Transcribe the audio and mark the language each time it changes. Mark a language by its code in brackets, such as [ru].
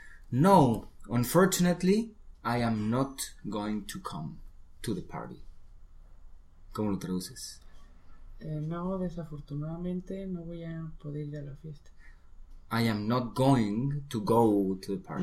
[en] No, unfortunately, I am not going to come to the party. [es] ¿Cómo lo traduces? No, desafortunadamente, no voy a poder ir a la fiesta. [en] I am not going to go to the party.